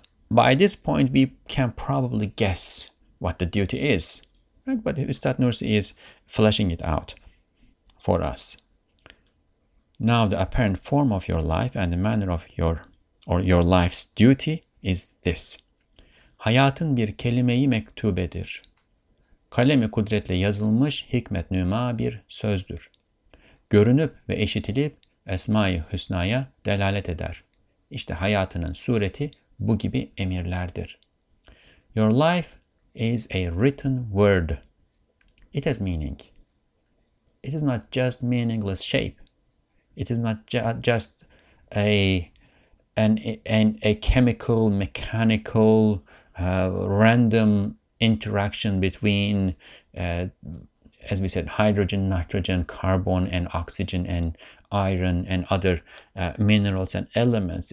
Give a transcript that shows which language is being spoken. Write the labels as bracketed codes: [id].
[en] By this point we can probably guess what the duty is, right? But Üstad Nursi is fleshing it out for us. Now, the apparent form of your life and the manner of your life's duty is this. [tr] Hayatın bir kelime-i mektubedir. Kalem-i kudretle yazılmış hikmet nüma bir sözdür. Görünüp ve eşitilip Esma-i Hüsna'ya delalet eder. İşte hayatının sureti bu gibi emirlerdir. [en] Your life is a written word. It has meaning. It is not just meaningless shape. It is not just a chemical, mechanical, random interaction between, as we said, hydrogen, nitrogen, carbon, and oxygen, and iron, and other minerals and elements.